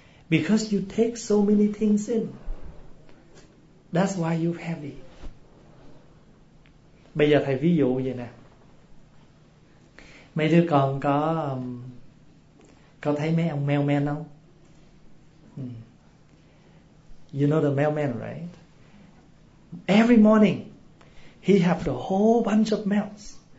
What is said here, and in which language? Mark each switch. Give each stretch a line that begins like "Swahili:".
English: Because you take so many things in. That's why you're heavy.
Vietnamese: Bây giờ thầy ví dụ vậy nè. Mấy đứa con có Có thấy mấy ông mailman không?
English: You know the mailman, right? Every morning, he have the whole bunch of mails.